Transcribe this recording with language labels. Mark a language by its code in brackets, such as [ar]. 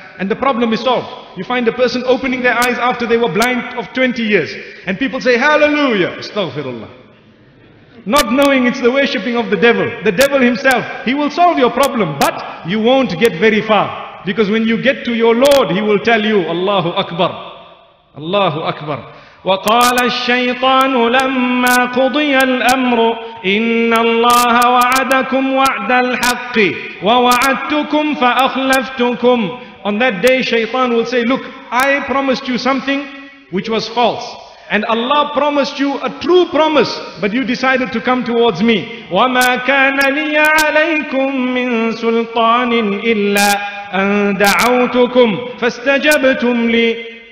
[en] And the problem is solved. You find a person opening their eyes after they were blind of 20 years. And people say, hallelujah, astaghfirullah. Not knowing it's the worshipping of the devil. The devil himself, he will solve your problem, but you won't get very far. Because when you get to your Lord, he will tell you, Allahu Akbar, Allahu Akbar. [ar] وقال الشيطان لما قضي الأمر إن الله وعدكم وعد الحق ووعدتكم فأخلفتكم. [en] On that day, Shaytan will say, look, I promised you something which was false. And Allah promised you a true promise, but you decided to come towards me. [ar] وَمَا كَانَ لِيَ عَلَيْكُمْ مِنْ سُلْطَانٍ إِلَّا أَنْ دَعَوْتُكُمْ فَاسْتَجَبْتُمْ لِي.